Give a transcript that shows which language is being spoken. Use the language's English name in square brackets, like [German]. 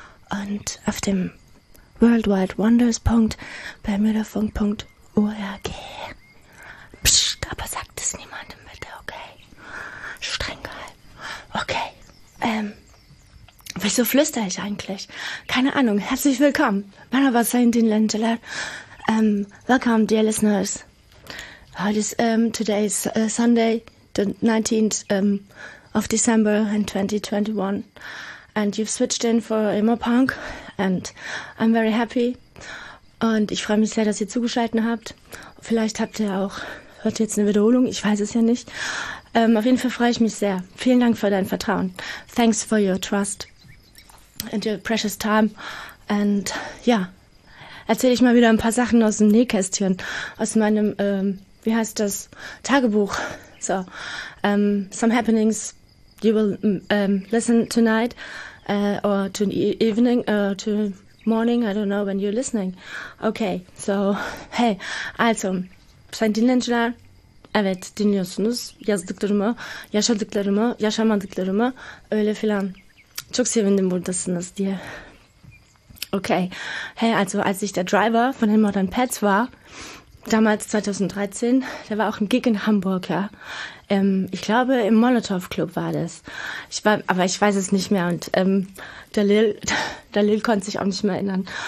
[German] Und auf dem worldwidewonders.bermudafunk.org. Psst, aber sagt es niemandem bitte, okay? Streng geil. Okay, wieso flüstere ich eigentlich? Keine Ahnung. Herzlich willkommen. Mein Name ist Saintin Lentela. [English] Welcome, dear listeners. [German] Heute ist, [English] today is Sunday, the 19th of December in 2021. And you've switched in for Immer Punk. And I'm very happy. [German] Und ich freue mich sehr, dass ihr zugeschaltet habt. Vielleicht habt ihr auch, hört jetzt eine Wiederholung. Ich weiß es ja nicht. Auf jeden Fall freue ich mich sehr. Vielen Dank für dein Vertrauen. [English] Thanks for your trust. And your precious time. [German] And ja, erzähle ich mal wieder ein paar Sachen aus dem Nähkästchen, aus meinem, wie heißt das, Tagebuch. [English] So, some happenings you will listen tonight or to evening or to morning. I don't know when you're listening. [Turkish] Okay, so, hey, also, Saintin Lentela, evet, dinliyorsunuz. Yazdıklarımı, yaşadıklarımı, yaşamadıklarımı, öyle filan. Çok sevindim buradasınız diye. [English] Okay. [German] Hey, also als ich der Driver von den Modern Pets war, damals 2013, da war auch ein Gig in Hamburg, ja. Ich glaube, im Molotow Club war das. Ich war, aber ich weiß es nicht mehr. Und der Lil konnte sich auch nicht mehr erinnern.